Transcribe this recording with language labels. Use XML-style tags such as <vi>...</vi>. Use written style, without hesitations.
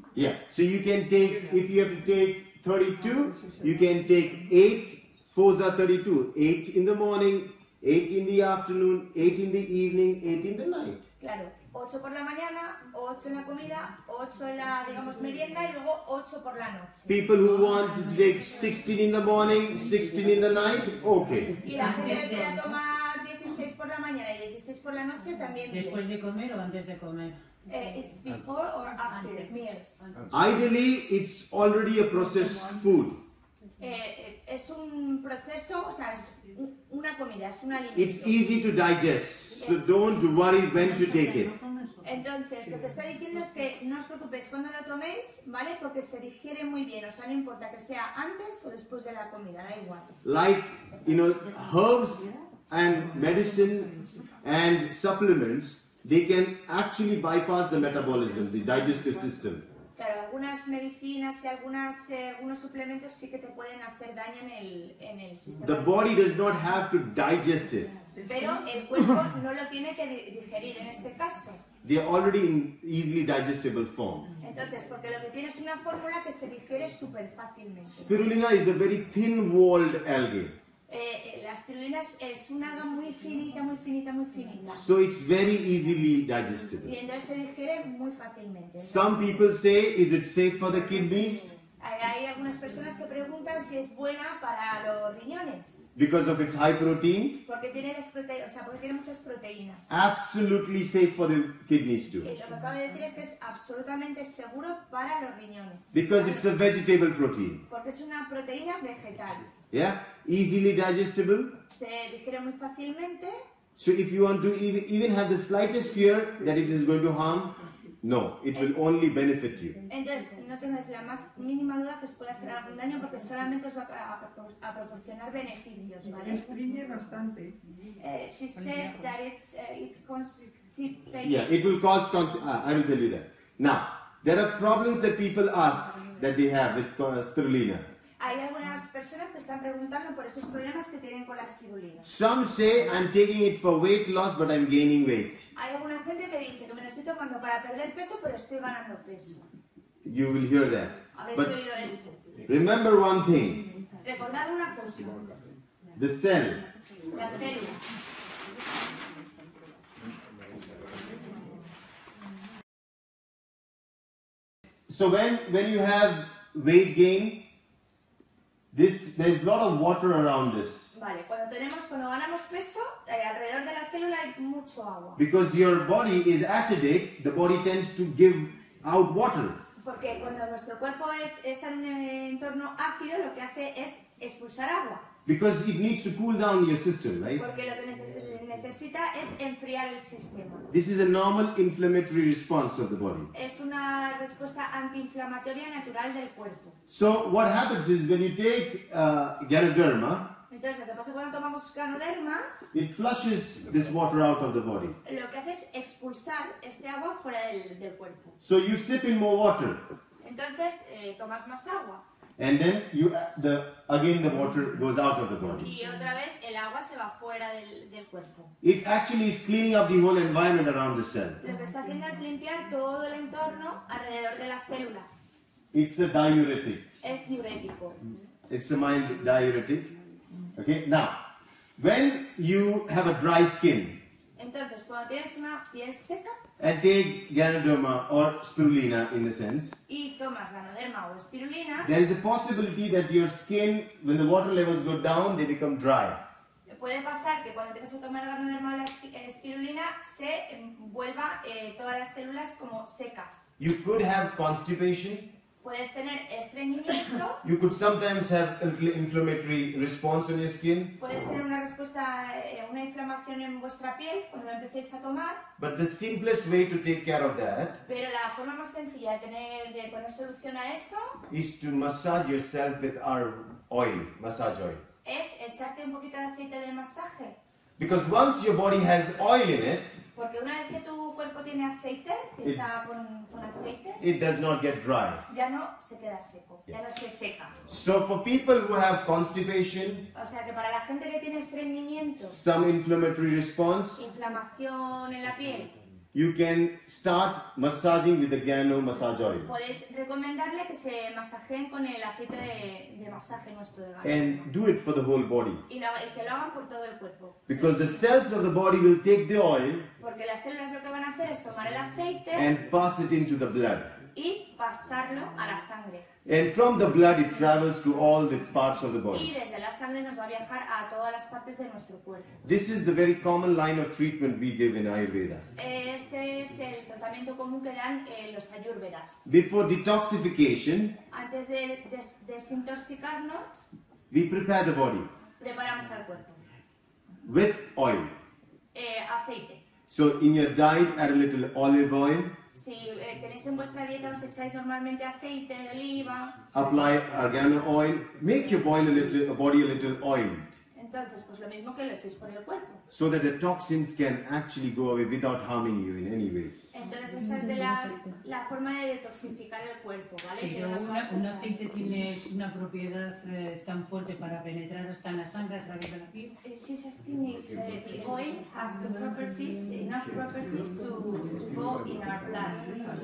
<en>Yeah, so you can take, if you have to take 32, you can take 8, 4s are 32, 8 in the morning, 8 in the afternoon, 8 in the evening, 8 in the night.</en> <es>Claro, 8 por la mañana, 8 en la comida, 8 en la, digamos, merienda y luego 8 por la noche.</es> <en>People who want to drink 16 in the morning, 16 in the night, okay.</en> <es>Y la gente que quiera tomar 16 por la mañana y 16 por la noche también. ¿Después de comer o antes de comer?</es> <en>It's before or after meals. Ideally, it's already a processed food.</en> <es>Es un proceso, o sea, es una comida, es un alimento.</es> <en>It's easy to digest, so don't worry when to take it.</en> <es>Entonces, lo que está diciendo es que no os preocupéis cuando lo toméis, ¿vale? Porque se digiere muy bien, o sea, no importa que sea antes o después de la comida, da igual.</es> <en>Like, you know, herbs and medicine and supplements, they can actually bypass the metabolism, the digestive system.</en> <es>Claro, algunas medicinas y algunos suplementos sí que te pueden hacer daño en el sistema.</es> <en>The body does not have to digest it.</en> <es>Pero el cuerpo no lo tiene que digerir en este caso.</es> <en>They are already in easily digestible form.</en> <es>Entonces, porque lo que tiene es una fórmula que se digiere súper fácilmente.</es> <en>Spirulina is a very thin-walled algae.</en> <es>La espirulina es un alga muy finita, muy finita, muy finita.</es> <en>So it's very easily digestible.</en> <es>Y entonces se digiere muy fácilmente.</es> <en>Some people say, is it safe for the kidneys?</en> <es>Hay algunas personas que preguntan si es buena para los riñones.</es> <en>Because of its high protein.</en> <es>Porque tiene las proteínas, o sea, porque tiene muchas proteínas.</es> <en>Absolutely safe for the kidneys too.</en> <es>Y lo que acabo de decir es que es absolutamente seguro para los riñones.</es> <en>Because it's a vegetable protein.</en> <es>Porque es una proteína vegetal.</es> <en>Yeah, easily digestible.</en> <es>Se digiere muy fácilmente.</es> <en>So if you want to even have the slightest fear that it is going to harm, no, it will only benefit you.</en> <es>Entonces, no tengas la más mínima duda que os pueda hacer algún daño porque solamente os va a proporcionar beneficios, ¿vale? Estriñe bastante.</es> <en>She says that it's, it constipates. Yeah, it will cause I will tell you that. Now, there are problems that people ask that they have with spirulina.</en> <es>Hay algunas personas que están preguntando por esos problemas que tienen con la espirulina.</es> <en>Some say I'm taking it for weight loss, but I'm gaining weight.</en> <es>Hay alguna gente que dice que me lo estoy tomando para perder peso, pero estoy ganando peso.</es> <en>You will hear that.</en> <es>Habréis oído esto.</es> <en>Remember one thing.</en> <es>Recordad una cosa.</es> <en>The cell.</en> <es>La célula.</es> <en>So when you have weight gain. There's a lot of water around this.</en> <es>Vale, cuando ganamos peso, alrededor de la célula hay mucho agua.</es> <en>Because your body is acidic, the body tends to give out water.</en> <es>Porque cuando nuestro cuerpo está en un entorno ácido, lo que hace es expulsar agua.</es> <en>Because it needs to cool down your system, right?</en> <es>Porque lo que necesita es enfriar el sistema.</es> <en>This is a normal inflammatory response of the body.</en> <es>Es una respuesta antiinflamatoria natural del cuerpo.</es> <en>So what happens is when you take Ganoderma,</en> <es>entonces lo que pasa cuando tomamos Ganoderma,</es> <en>it flushes this water out of the body.</en> <es>Lo que hace es expulsar este agua fuera del cuerpo.</es> <en>So you sip in more water.</en> <es>Entonces tomas más agua.</es> <en>And then you again the water goes out of the body.</en> <es>Y otra vez el agua se va fuera del cuerpo.</es> <en>It actually is cleaning up the whole environment around the cell.</en> <es>Lo que está haciendo es limpiar todo el entorno alrededor de la célula.</es> <en>It's a diuretic.</en> <es>Es diurético.</es> <en>It's a mild diuretic. Okay. Now, when you have a dry skin.</en> <es>Entonces, cuando tienes una piel seca.</es> <en>And take Ganoderma or spirulina in a sense.</en> <es>Y tomas Ganoderma o spirulina.</es> <en>There is a possibility that your skin, when the water levels go down, they become dry.</en> <es>Puede pasar que cuando empiezas a tomar Ganoderma o spirulina se vuelva todas las células como secas.</es> <en>You could have constipation.</en> <es>Puedes tener estreñimiento.</es> <en>You could sometimes have inflammatory response on your skin.</en> <es>Puedes tener una respuesta, una inflamación en vuestra piel cuando lo empecéis a tomar.</es> <en>But the simplest way to take care of that.</en> <es>Pero la forma más sencilla de poner solución a eso.</es> <en>Is to massage yourself with our oil, massage oil.</en> <es>Es echarte un poquito de aceite de masaje.</es> <en>Because once your body has oil in it.</en> <es>Porque una vez que tu cuerpo tiene aceite, que está con aceite,</es> <en>it does not get dry.</en> <es>Ya no se queda seco,</es> <en>yeah.</en> <es>Ya no se seca.</es> <en>So for people who have constipation,</en> <es>o sea que para la gente que tiene estreñimiento,</es> <en>some inflammatory response,</en> <es>inflamación en la piel,</es> <en>you can start massaging with the Gano massage oil.</en> <es>Puedes recomendarle que se masajeen con el aceite de masaje nuestro de Gano.</es> <en>And do it for the whole body.</en> <es>Y que lo hagan por todo el cuerpo.</es> <en>Because the cells of the body will take the oil.</en> <es>Porque las células lo que van a hacer es tomar el aceite.</es> <en>And pass it into the blood.</en> <es>Y pasarlo a la sangre.</es> <en>And from the blood it travels to all the parts of the body.</en> <es>Y desde la sangre nos va a viajar a todas las partes de nuestro cuerpo.</es> <en>This is the very common line of treatment we give in Ayurveda.</en> <es>Este es el tratamiento común que dan los Ayurvedas.</es> <en>Before detoxification,</en> <es>antes de desintoxicarnos,</es> <en>we prepare the body.</en> <es>Preparamos al cuerpo.</es> <en>With oil.</en> <es>Aceite.</es> <en>So in your diet add a little olive oil.</en> <es>Si tenéis en vuestra dieta, os echáis normalmente aceite de oliva.</es> <en>Apply argan oil. Make your body a little oiled.</en> <es>Entonces, pues lo mismo que lo echéis por el cuerpo.</es> <en>So that the toxins can actually go away without harming you in any ways.</en> <es>Entonces, esta es la forma de detoxificar el cuerpo, ¿vale? Pero un aceite tiene una propiedad tan fuerte para penetrar hasta en la sangre, a través de la piel.</es> <en>She's asking if the oil has the properties, enough properties to go in our blood.</en>